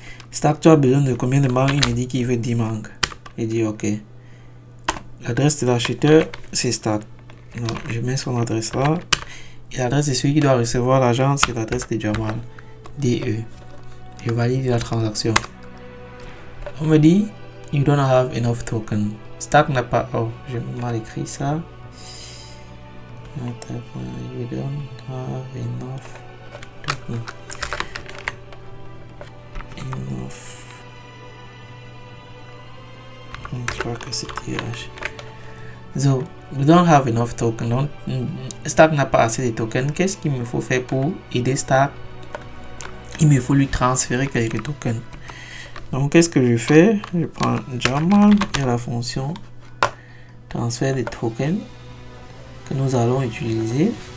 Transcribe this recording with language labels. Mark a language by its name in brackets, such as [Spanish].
[French] Stack, tu as besoin de combien de mangas? Il me dit qu'il veut 10 mangas. Il dit ok. L'adresse de l'acheteur, c'est Stack. Donc, je mets son adresse là. Et l'adresse de celui qui doit recevoir l'argent, c'est l'adresse de Jamal. DE. Je valide la transaction. On me dit, [English] you don't have enough token. [French] Stack n'a pas. Oh, j'ai mal écrit ça. [English] You don't have enough token. Enough. [French] Je crois que c'était H. [English] So, you don't have enough token. [French] Donc, Stack n'a pas assez de token. Qu'est-ce qu'il me faut faire pour aider Stack? Il me faut lui transférer quelques tokens. Donc, qu'est-ce que je fais? Je prends Jamal et la fonction transfert des tokens que nous allons utiliser.